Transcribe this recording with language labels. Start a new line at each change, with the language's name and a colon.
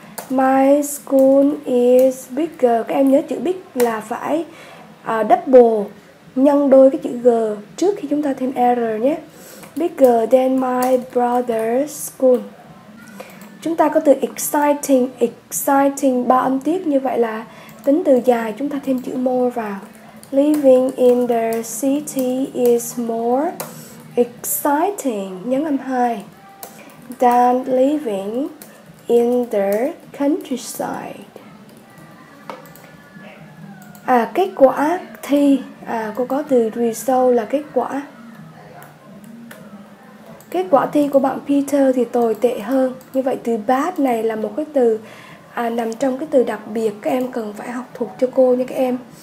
English: My school is bigger.
Vietnamese: Các em nhớ chữ big là phải double nhân đôi cái chữ G trước khi chúng ta thêm R nhé.
English: Bigger than my brother's school.
Vietnamese: Chúng ta có từ exciting. Exciting ba âm tiết, như vậy là tính từ dài, chúng ta thêm chữ more vào.
English: Living in the city is more exciting,
Vietnamese: nhấn âm 2,
English: than living in the countryside.
Vietnamese: Kết quả thi, cô có từ result là kết quả. Kết quả thi của bạn Peter thì tồi tệ hơn. Như vậy từ bad này là một cái từ nằm trong cái từ đặc biệt các em cần phải học thuộc cho cô nha các em.